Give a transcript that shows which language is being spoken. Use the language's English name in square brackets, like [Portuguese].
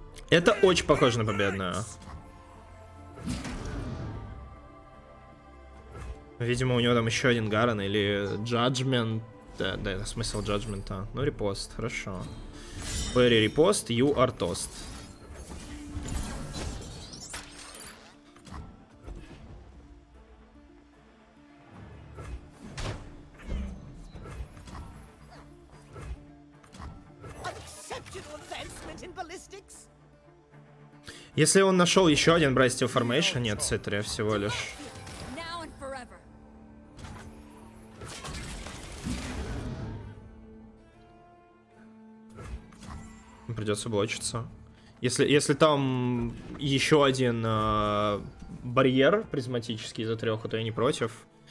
[Russian] Это очень похоже на победную. Видимо, у него там еще один Гарен или Джаджмент. Да, это смысл джаджмента. Ну, репост, хорошо. [English] Very repost, you are toast. Exceptional advancement in ballistics. [Russian] Если он нашел еще один Bright Steel Formation, нет, C3 всего лишь. Придется блочиться. Если там еще один барьер призматический за треху, то я не против.